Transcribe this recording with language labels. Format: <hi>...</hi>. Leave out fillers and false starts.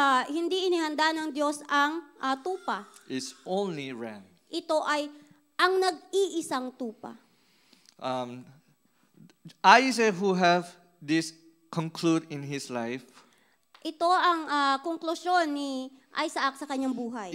<tl>Hindi inihanda ng Diyos ang tupa.</tl> <en>It's only ram.</en> <tl>Ito ay ang nag-iisang tupa.</tl> <en>Isaac who have this conclude in his life.</en> <tl>Ito ang conclusion ni Isaac sa kanyang buhay.</tl>